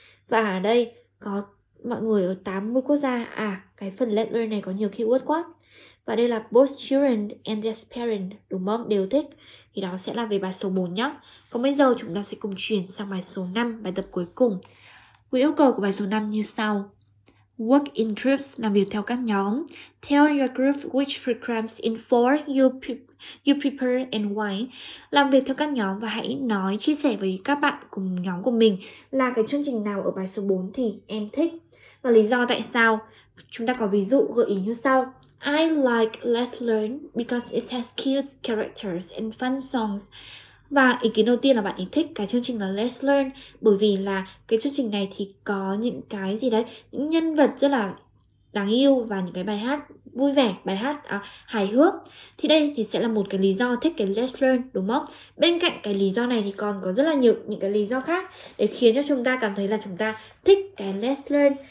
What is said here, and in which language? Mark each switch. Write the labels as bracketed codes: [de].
[vi] Và ở đây có mọi người ở 80 quốc gia. À, cái phần Let's Learn này có nhiều keyword quá. Và đây là [en] both children and their parents, [vi] đúng không? Đều thích. Thì đó sẽ là về bài số 4 nhé. Còn bây giờ chúng ta sẽ cùng chuyển sang bài số 5, bài tập cuối cùng. Quy yêu cầu của bài số 5 như sau. [en] Work in groups, [vi] làm việc theo các nhóm. [en] Tell your group which programs in four you prepare and why. [vi] Làm việc theo các nhóm và hãy nói, chia sẻ với các bạn cùng nhóm của mình là cái chương trình nào ở bài số 4 thì em thích. Và lý do tại sao? Chúng ta có ví dụ gợi ý như sau. [en] I like Let's Learn because it has cute characters and fun songs. [vi] Và ý kiến đầu tiên là bạn ấy thích cái chương trình là Let's Learn, bởi vì là cái chương trình này thì có những cái gì đấy, những nhân vật rất là đáng yêu và những cái bài hát vui vẻ, bài hát hài hước. Thì đây thì sẽ là một cái lý do thích cái Let's Learn, đúng không? Bên cạnh cái lý do này thì còn có rất là nhiều những cái lý do khác để khiến cho chúng ta cảm thấy là chúng ta thích cái Let's Learn.